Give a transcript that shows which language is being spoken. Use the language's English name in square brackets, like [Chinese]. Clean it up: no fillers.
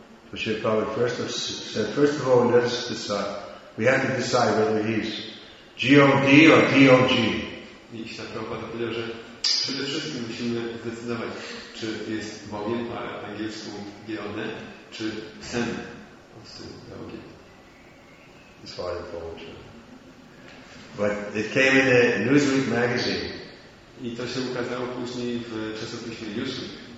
[English] So Śrīla Prabhupada first said, first of all, let us decide. We have to decide whether he is G-O-D or D-O-G. [Polish] I Śrīla Prabhupada powiedział, że przede wszystkim musimy zdecydować, czy jest Bogiem po angielsku G-O-D, czy psem po D-O-G. [English] It's hard to follow, but it came in the Newsweek magazine. [Polish] I to się ukazało później w czasopiśmie Newsweek.